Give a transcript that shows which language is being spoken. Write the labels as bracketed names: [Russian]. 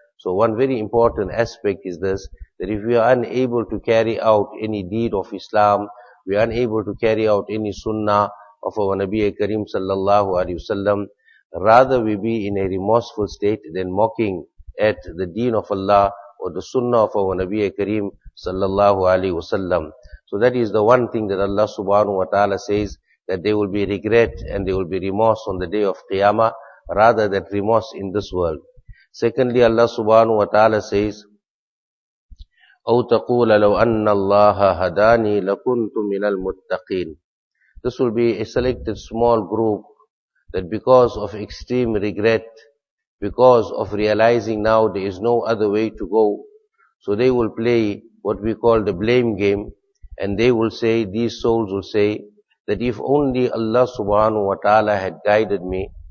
[English] So one very important aspect is this, that if we are unable to carry out any deed of Islam, we are unable to carry out any sunnah of our Nabi Kareem sallallahu alayhi wasallam, rather we be in a remorseful state than mocking at the deen of Allah or the sunnah of our Nabi Kareem sallallahu alayhi wasallam. So that is the one thing that Allah subhanahu wa ta'ala says, that they will be regret and they will be remorse on the day of Qiyamah, rather than remorse in this world. Secondly, Allah subhanahu wa ta'ala says, [Arabic] أَوْ تَقُولَ لَوْ أَنَّ اللَّهَ هَدَانِي لَكُنْتُ مِنَ الْمُتَّقِينَ. [English] This will be a selected small group that because of extreme regret, because of realizing now there is no other way to go, so they will play what we call the blame game, and they will say, these souls will say, that if only Allah subhanahu wa ta'ala had guided me,